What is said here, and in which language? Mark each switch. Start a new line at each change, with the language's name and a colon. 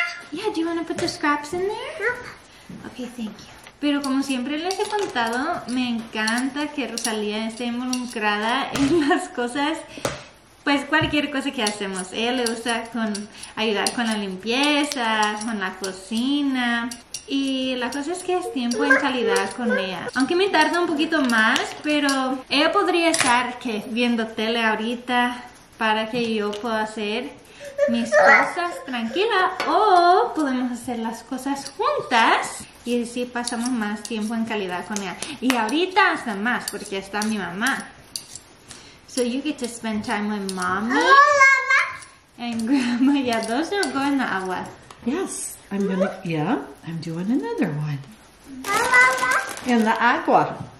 English: Yeah, do you want to put the scraps in there? Okay, thank you.
Spanish: Pero como siempre les he contado, me encanta que Rosalía esté involucrada en las cosas. Pues cualquier cosa que hacemos. Ella le gusta ayudar con la limpieza, con la cocina. Y la cosa es que es tiempo en calidad con ella. Aunque me tarda un poquito más, pero ella podría estar que viendo tele ahorita, para que yo pueda hacer mis cosas tranquila, o podemos hacer las cosas juntas y así pasamos más tiempo en calidad con ella. Y ahorita hasta más porque está mi mamá.
English: So you get to spend time with mommy and grandma. Yeah, those are going in the agua. Yes, I'm gonna. Yeah, I'm doing another one in the agua.